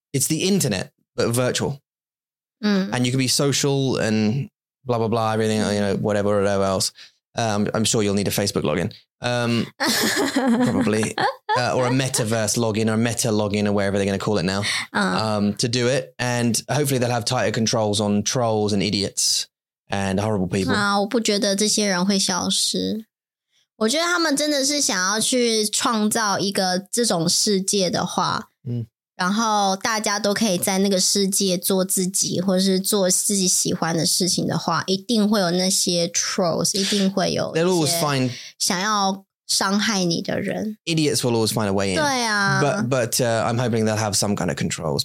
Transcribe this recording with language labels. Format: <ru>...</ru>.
<en>It's the internet, but virtual. And you can be social and blah, blah, blah, everything, you know, whatever else. I'm sure you'll need a Facebook login. probably, or a metaverse login or a meta login or whatever they're going to call it now, to do it. And hopefully they'll have tighter controls on trolls and idiots and horrible people.</en> <zh>我不觉得这些人会消失。我觉得他们真的是想要去创造一个这种世界的话，嗯，然后大家都可以在那个世界做自己，或是做自己喜欢的事情的话，一定会有那些 trolls， 一定会有一些想要伤害你的人。</zh> <en>Idiots will always find a way in.</en> <zh>对啊</zh> <en>，but I'm hoping they'll have some kind of controls.</en>